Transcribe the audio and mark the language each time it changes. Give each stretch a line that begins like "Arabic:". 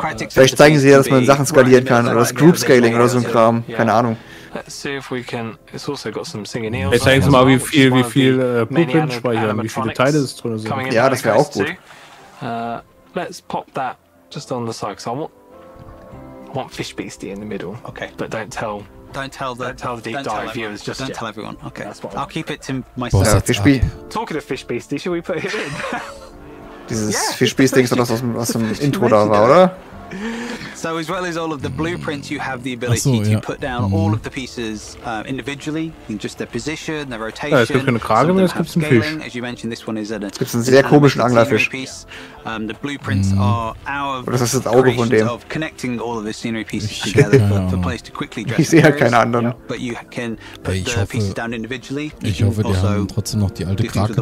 German: Vielleicht zeigen sie ja, dass man Sachen skalieren kann oder das Group Scaling oder so ein Kram.
English: Yeah.
German: Keine Ahnung.
English: Let's see if we can. It's also got some singing eels.
German: Zeigen sie mal, wie viel Blueprint speichern, wie viele Teile es drin sind. Ja, das wäre auch gut.
English: Let's pop that just on the side. So I want Fish Beastie in the middle. Okay. But don't tell the deep dive viewers. Don't tell everyone. Okay. Yeah, I'll keep it to myself. Talking of Fish Beastie, should we put him in?
German: Dieses Fischbeast-Ding ist doch das, was im Intro da war, oder?
English: So, as well as all of the blueprints, you have the ability to put down all of the pieces individually, in just their position, their rotation.
German: Ja, es gibt keine Krage, es gibt einen Fisch.
English: As you mentioned, this one is a,
German: es gibt einen sehr komischen Anglerfisch.
English: The blueprints are our
German: oder das ist das Auge von dem.
English: Connecting all of the scenery pieces together for place to quickly dress.
German: Ich sehe ja keine anderen.
English: But you can put the pieces down individually.
German: Ich hoffe, die haben trotzdem noch die alte Krage drin.